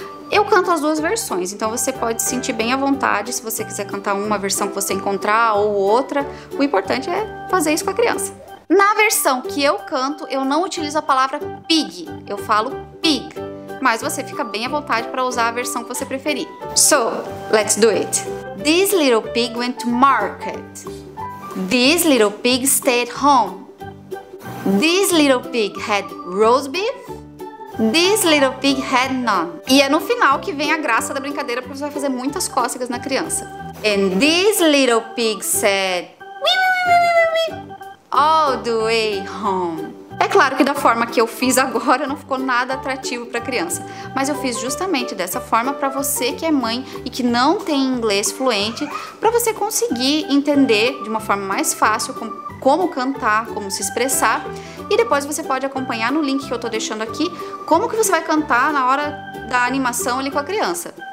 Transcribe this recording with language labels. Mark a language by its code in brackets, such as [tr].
[pt] Eu canto as duas versões, então você pode se sentir bem à vontade se você quiser cantar uma versão que você encontrar ou outra. O importante é fazer isso com a criança. Na versão que eu canto, eu não utilizo a palavra pig, eu falo pig. Mas você fica bem à vontade para usar a versão que você preferir. [en] So, let's do it. This little pig went to market. This little pig stayed home. This little pig had roast beef. This little pig had none. [pt] E é no final que vem a graça da brincadeira, porque você vai fazer muitas cócegas na criança. [en] And this little pig said, wee, wee, wee, wee, wee, wee, all the way home. [pt] É claro que da forma que eu fiz agora não ficou nada atrativo para criança, mas eu fiz justamente dessa forma para você que é mãe e que não tem inglês fluente, para você conseguir entender de uma forma mais fácil como cantar, como se expressar, e depois você pode acompanhar no link que eu tô deixando aqui como que você vai cantar na hora da animação ali com a criança.